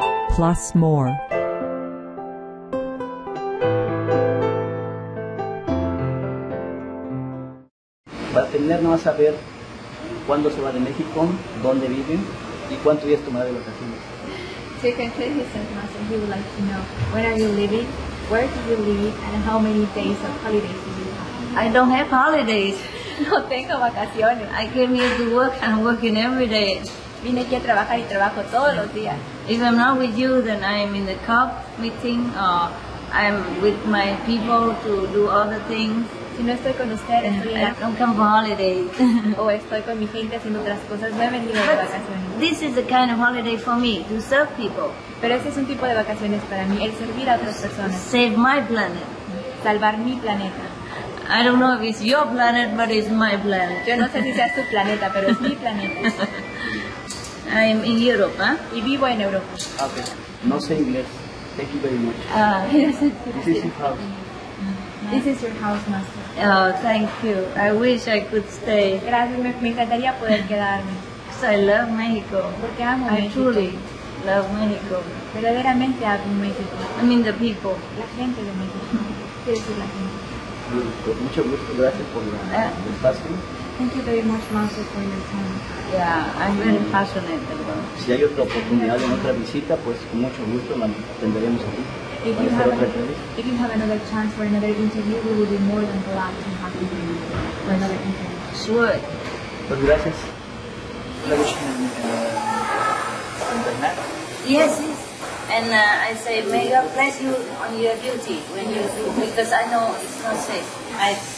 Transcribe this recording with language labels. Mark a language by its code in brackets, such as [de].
[en] Plus more. [es] Va a tener no a saber cuándo se va de México, dónde viven y cuánto días tomará de vacaciones. [en] So you can tell his sentence and he would like to know when are you leaving, where do you leave and how many days of holidays do you have? I don't have holidays. [es] No tengo vacaciones. [en] I came here to work and I'm working every day. [es] Vine aquí a trabajar y trabajo todos los días. [en] If I'm not with you, then I'm in the COP meeting, or I'm with my people to do other things. [es] Si no estoy con usted, estoy [en] I don't come for holidays. [es] O estoy con mi gente haciendo otras cosas. No he venido de vacaciones. [en] This is the kind of holiday for me, to serve people. [es] Pero ese es un tipo de vacaciones para mí, el servir a otras personas. [en] Save my planet. [es] Salvar mi planeta. [en] I don't know if it's your planet, but it's my planet. [es] Yo no sé si sea su planeta, pero es mi planeta. [en] I am in Europe, huh? [es] Y vivo en Europa. [en] Okay. [es] No sé inglés. [en] Thank you very much. This is your house. This is your house, master. Oh, thank you. I wish I could stay. [es] Gracias. Me encantaría poder quedarme. [en] Because I love Mexico. [es] Porque amo [en] I truly love Mexico. [es] Verdaderamente amo México. [en] I mean the people. [es] La gente de México. Quiero decir la gente. Mucho gusto. Gracias por el espacio. [en] Thank you very much, master, for your time. Yeah, I'm very passionate about it. [es] Si hay otra oportunidad en otra visita, pues con mucho gusto la atenderemos aquí. [en] If you have another chance for another interview, we will be more than glad to have you for another interview. Sure. [es] Pues gracias. [en] Yes. And I say, may God bless you on your duty when you do, because I know it's not safe. I